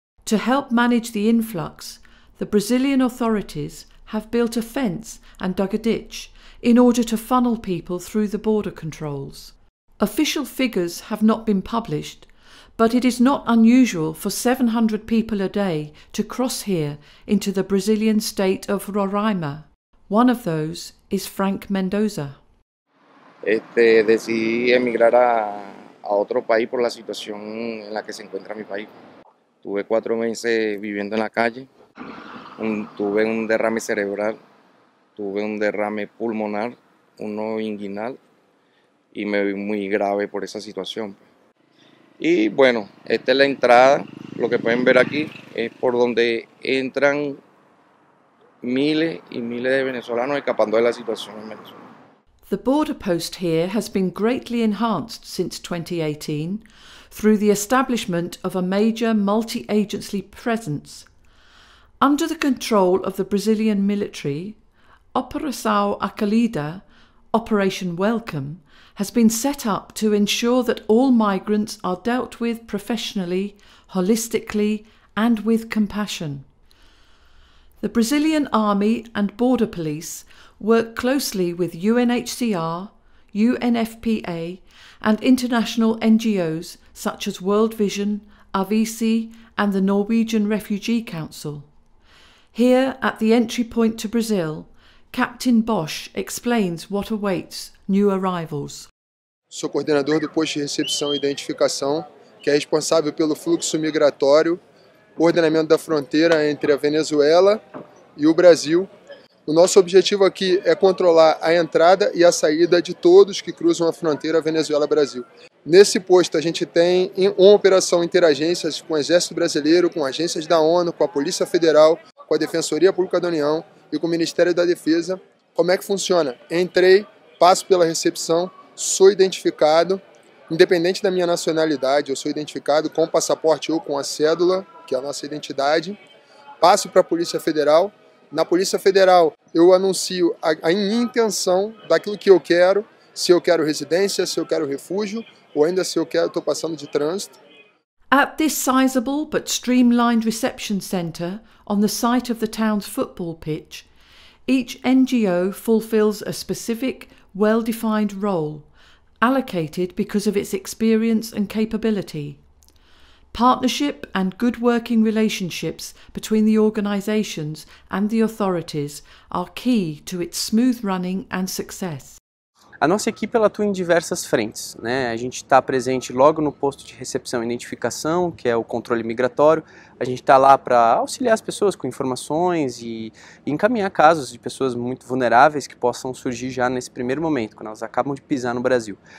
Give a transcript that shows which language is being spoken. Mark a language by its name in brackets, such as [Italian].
[English] To help manage the influx, the Brazilian authorities have built a fence and dug a ditch in order to funnel people through the border controls. Official figures have not been published, but it is not unusual for 700 people a day to cross here into the Brazilian state of Roraima. One of those is Frank Mendoza. [Spanish] Decidí emigrar a otro país por la situación en la que se encuentra mi país. Tuve 4 meses viviendo en la calle. Tuve un derrame cerebral, tuve un derrame pulmonar, uno inguinal, y me vi muy grave por esa situación. Y bueno, esta es la entrada, lo que pueden ver aquí, es por donde entran miles y miles de venezolanos escapando de la situación en Venezuela. [English] The border post here has been greatly enhanced since 2018 through the establishment of a major multi-agency presence. Under the control of the Brazilian military, Operação Acolhida, Operation Welcome, has been set up to ensure that all migrants are dealt with professionally, holistically, and with compassion. The Brazilian Army and Border Police work closely with UNHCR, UNFPA, and international NGOs such as World Vision, AVICI, and the Norwegian Refugee Council. Here, at the entry point to Brazil, Captain Bosch explains what awaits new arrivals. [Portuguese] Sou coordenador do posto de recepção e identificação, que é responsável pelo fluxo migratório, ordenamento da fronteira entre a Venezuela e o Brasil. O nosso objetivo aqui é controlar a entrada e a saída de todos que cruzam a fronteira Venezuela-Brasil. Nesse posto, a gente tem uma operação interagências com o Exército Brasileiro, com agências da ONU, com a Polícia Federal, com a Defensoria Pública da União e com o Ministério da Defesa. Como é que funciona? Entrei, passo pela recepção, sou identificado, independente da minha nacionalidade, eu sou identificado com o passaporte ou com a cédula, que é a nossa identidade, passo para a Polícia Federal. Na Polícia Federal, eu anuncio a intenção daquilo que eu quero, se eu quero residência, se eu quero refúgio, ou ainda se eu quero, estou passando de trânsito. [English] At this sizable but streamlined reception centre on the site of the town's football pitch, each NGO fulfills a specific, well-defined role, allocated because of its experience and capability. Partnership and good working relationships between the organisations and the authorities are key to its smooth running and success. [Portuguese] A nossa equipe ela atua em diversas frentes, né? A gente está presente logo no posto de recepção e identificação, que é o controle migratório. A gente está lá para auxiliar as pessoas com informações e encaminhar casos de pessoas muito vulneráveis que possam surgir já nesse primeiro momento, quando elas acabam de pisar no Brasil.